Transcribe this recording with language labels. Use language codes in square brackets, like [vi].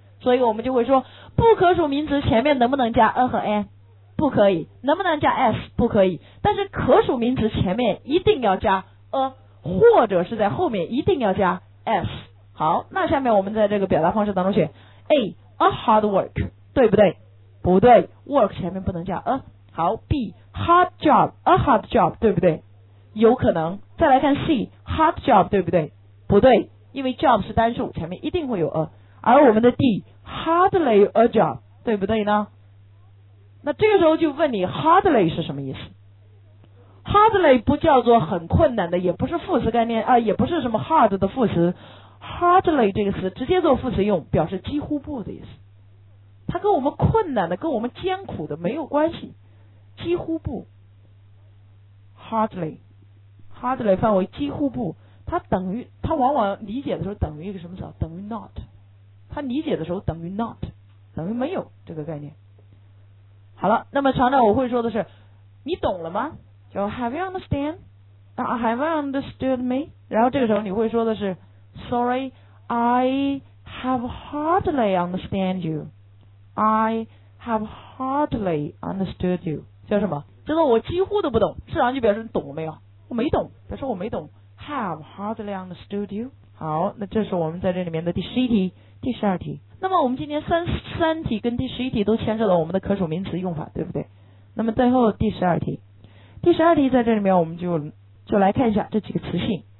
[zh] 所以我们就会说，不可数名词前面能不能加 n 和 n？ 不可以。能不能加 s？ 不可以。但是可数名词前面一定要加 a， 或者是在后面一定要加 s。好，那下面我们在这个表达方式当中选 a， a hard work， 对不对？不对， work 前面不能加 a。好， b， hard job， a hard job， 对不对？有可能。再来看 c， hard job， 对不对？不对，因为 job 是单数，前面一定会有 a。而我们的 D， hardly a job， 对不对呢？那这个时候就问你 hardly 是什么意思。hardly 不叫做很困难的，也不是副词概念啊，也不是什么 hard 的副词。 hardly 这个词直接做副词用，表示几乎不的意思，它跟我们困难的跟我们艰苦的没有关系，几乎不。 hardly， hardly 范围几乎不，它等于，它往往理解的时候等于一个什么词，等于 not，他理解的时候等于 not， 等于没有这个概念。好了，那么常常我会说的是，你懂了吗？ [en] 叫 Have you understand？ Have you understood me？ [zh] 然后这个时候你会说的是 [en] Sorry， I have hardly understand you。 I have hardly understood you。 [zh] 叫什么？叫做我几乎都不懂。市场就表示你懂了没有？我没懂，表示我没懂。 [en] Have hardly understood you。 [zh] 好，那这是我们在这里面的第十一题。第十二题，那么我们今天三题跟第十一题都牵涉到我们的可数名词用法，对不对？那么最后第十二题，第十二题在这里面我们就来看一下这几个词性。